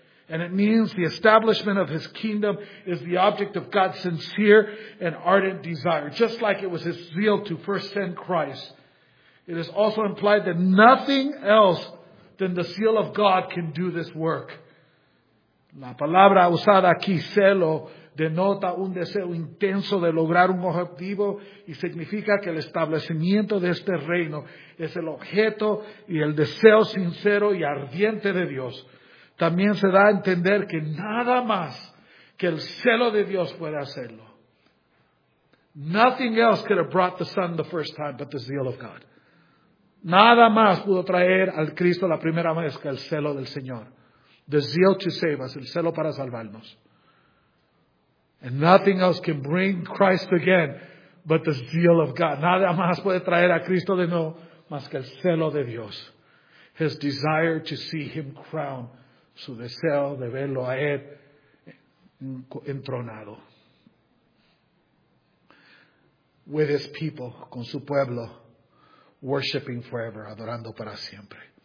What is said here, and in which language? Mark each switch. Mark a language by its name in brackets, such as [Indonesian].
[English] And it means the establishment of his kingdom is the object of God's sincere and ardent desire. Just like it was his zeal to first send Christ. It is also implied that nothing else than the zeal of God can do this work. [Spanish] La palabra usada aquí, celo, denota un deseo intenso de lograr un objetivo y significa que el establecimiento de este reino es el objeto y el deseo sincero y ardiente de Dios. También se da a entender que nada más que el celo de Dios puede hacerlo. [English] Nothing else could have brought the Son the first time but the zeal of God. [Spanish] Nada más pudo traer al Cristo la primera vez que el celo del Señor. [English] The zeal to save us, [Spanish] el celo para salvarnos. [English] And nothing else can bring Christ again but the zeal of God. [Spanish] Nada más puede traer a Cristo de nuevo más que el celo de Dios. [English] His desire to see him crowned. [Spanish] Su deseo de verlo a él entronado. [English] With his people, [Spanish] con su pueblo, [English] worshiping forever, [Spanish] adorando para siempre.